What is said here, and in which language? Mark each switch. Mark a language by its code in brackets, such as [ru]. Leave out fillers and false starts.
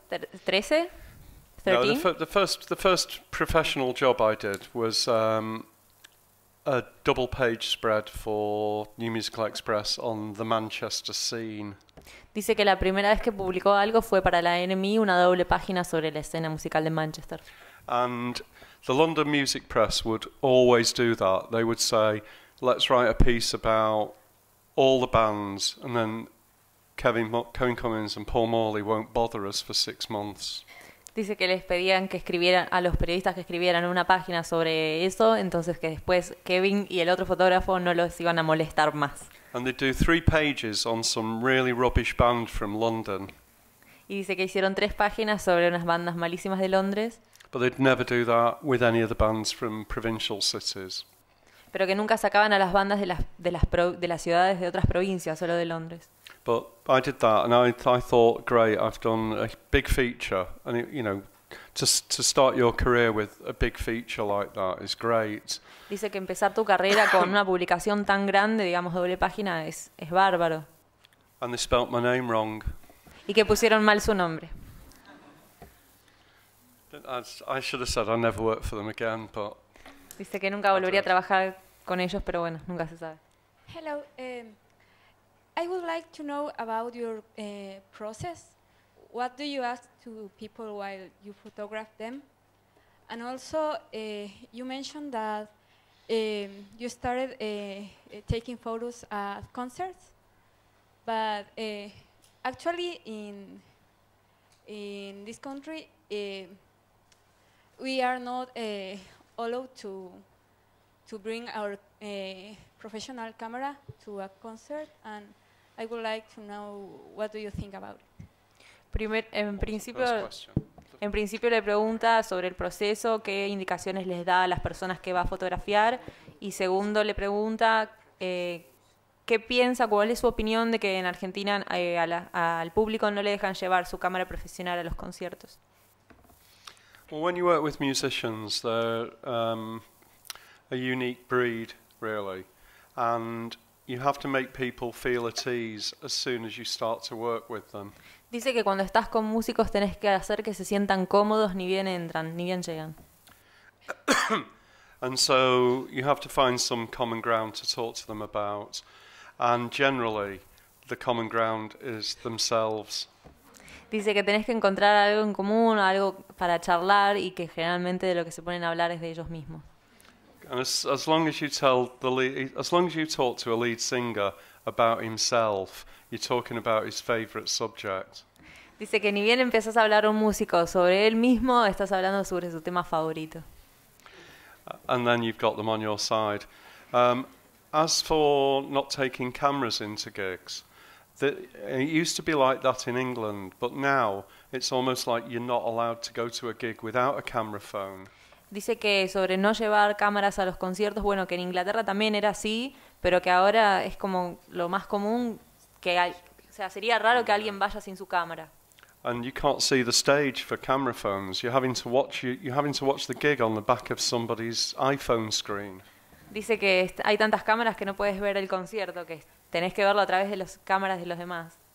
[en] 13? 13? No, the first professional job I did was a double page spread for New Musical Express on the Manchester scene. [es] Dice que la primera vez que publicó algo fue para la NME, una doble página sobre la escena musical de Manchester. [en] And the London Music Press would always do that. They would say, let's write a piece about all the bands, and then Kevin Cummins and Paul Morley won't bother us for 6 months. [es] Dice que les pedían que escribieran a los periodistas que escribieran una página sobre eso, entonces que después Kevin y el otro fotógrafo no los iban a molestar más. [en] And they do 3 pages on some really rubbish band from London. [es] Y dice que hicieron 3 páginas sobre unas bandas malísimas de Londres. [en] But they'd never do that with any of the bands from provincial cities. [es] Pero que nunca sacaban a las bandas de las ciudades de otras provincias, solo de Londres. [en] But I did that, and I thought, great, I've done a big feature, and it, you know, to start your career with a big feature like that is great. [es] Dice que empezar tu carrera con una publicación tan grande, digamos doble página, es bárbaro. [en] And they spelt my name wrong. [es] Y que pusieron mal su nombre. [en] I should have said I never work for them again, but. [es] Dice que nunca volvería a trabajar con ellos, pero bueno, nunca se sabe. [en] Hello, I would like to know about your process. What do you ask to people while you photograph them? And also, you mentioned that you started taking photos at concerts, but actually in this country. We are not allowed to bring our professional camera to a concert, and I would like to know what do you think about it. [es] En principio le pregunta sobre el proceso, qué indicaciones les da a las personas que va a fotografiar, y segundo le pregunta qué piensa, cuál es su opinión de que en Argentina al público no le dejan llevar su cámara profesional a los conciertos. [en] Well, when you work with musicians, they're a unique breed, really. And you have to make people feel at ease as soon as you start to work with them. [es] Dice que cuando estás con músicos tenés que hacer que se sientan cómodos ni bien entran, ni bien llegan. [en] And so you have to find some common ground to talk to them about. And generally, the common ground is themselves. [es] Dice que tenés que encontrar algo en común, algo para charlar y que generalmente de lo que se ponen a hablar es de ellos mismos. [en] As long as you tell the lead, as long as you talk to a lead singer about himself, you're talking about his favorite subject. [es] Dice que ni bien empezás a hablar a un músico sobre él mismo, estás hablando sobre su tema favorito. [en] And then you've got them on your side. As for not taking cameras into gigs, it used to be like that in England, but now it's almost like you're not allowed to go to a gig without a camera phone. [es] Dice que sobre no llevar cámaras a los conciertos, bueno, que en Inglaterra también era así, pero que ahora es como lo más común, que o sea, sería raro que alguien vaya sin su cámara. [en] and you can't see the stage for camera phones. You're having to watch the gig on the back of somebody's iPhone screen. [es] Dice que hay tantas cámaras que no puedes ver el concierto, que tenés que verlo a través de las cámaras de los demás.